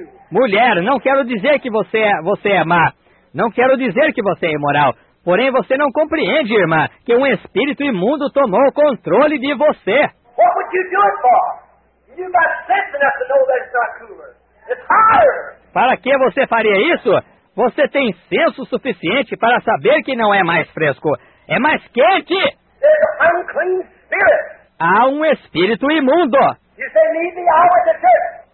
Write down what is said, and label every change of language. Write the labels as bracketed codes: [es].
[pt] Mulher, não quero dizer que você é má. Não quero dizer que você é imoral. Porém, você não compreende, irmã, que um espírito imundo tomou o controle de você. [en] What would you do it for? You got sense enough to know that it's not cooler. It's higher. [pt] Para que você faria isso? Você tem senso suficiente para saber que não é mais fresco. É mais quente. [en] There's an unclean spirit. [pt] Há um espírito imundo. [en] You say, me, I went to church.